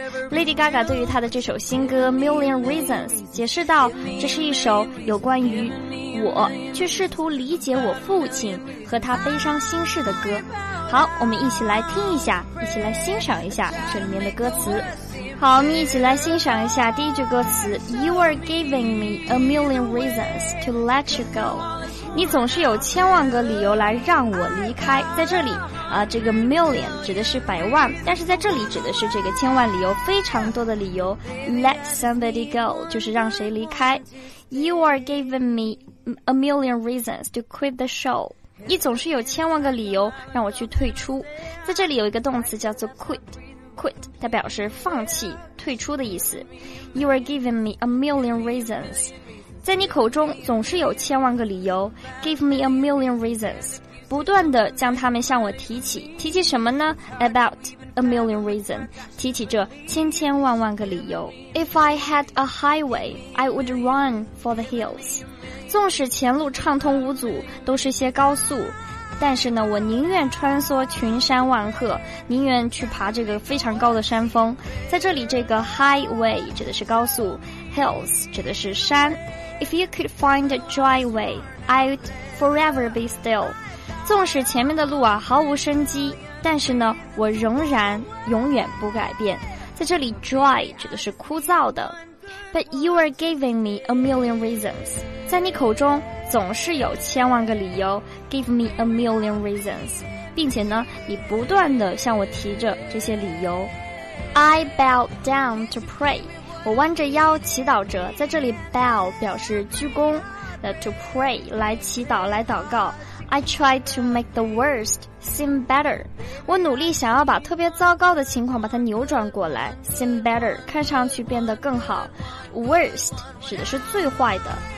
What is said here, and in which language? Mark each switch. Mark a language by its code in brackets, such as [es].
[zh] Lady Gaga 对于她的这首新歌 Million Reasons 解释到，这是一首有关于我去试图理解我父亲和他悲伤心事的歌。好，我们一起来听一下，一起来欣赏一下这里面的歌词。好，我们一起来欣赏一下第一句歌词。 [en] You are giving me a million reasons to let you go， [zh] 你总是有千万个理由来让我离开。在这里这个 million 指的是百万，但是在这里指的是这个千万理由，非常多的理由。 [en] Let somebody go [zh] 就是让谁离开。 [en] You are giving me a million reasons to quit the show， [zh] 你总是有千万个理由让我去退出。在这里有一个动词叫做 quit， 它表示放弃、退出的意思。 [en] You are giving me a million reasons， [zh] 在你口中总是有千万个理由。 [en] Give me a million reasons， [zh] 不断地将它们向我提起。提起什么呢？ [en] About a million reasons， [zh] 提起这千千万万个理由。 [en] If I had a highway I would run for the hills， [zh] 纵使前路畅通无阻，都是些高速，但是呢，我宁愿穿梭群山万壑，宁愿去爬这个非常高的山峰。在这里，这个 highway 指的是高速， hills 指的是山。 [en] If you could find a driveway, I'd forever be still。 [zh] 纵使前面的路啊毫无生机，但是呢，我仍然永远不改变。在这里 ，dry 指的是枯燥的。 [en] But you are giving me a million reasons， [zh] 在你口中总是有千万个理由。 [en] Give me a million reasons， [zh] 并且呢你不断地向我提着这些理由。 [en] I bow down to pray， [zh] 我弯着腰祈祷着。在这里 bow 表示鞠躬， to pray 来祈祷来祷告。 [en] I try to make the worst seem better， [zh] 我努力想要把特别糟糕的情况把它扭转过来。 seem better 看上去变得更好。Worst 指的是最坏的。